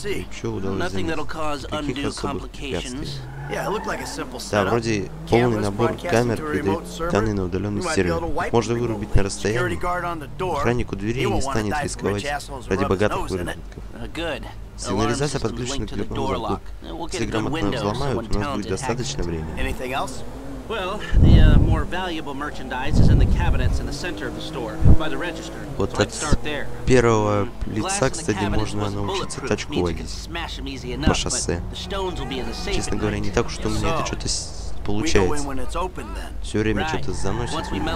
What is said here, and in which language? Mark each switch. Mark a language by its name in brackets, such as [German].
[Russian] Что удалось заметить? Никаких особых препятствий. Да, вроде полный набор камер и данные на удаленный сервер. Можно вырубить на расстоянии. Охранник у двери не станет рисковать ради богатых выработков. Сигнализация подключена к любому замку. Если грамотно взломают, у нас будет достаточно времени. [English] Well, the more valuable merchandise is in the cabinets in the center of the store, by the register. [Russian] Вот so от первого лица, кстати, можно научиться тачку водить по шоссе. Честно говоря, не так, что мне это что-то получается. Все время что-то заносит.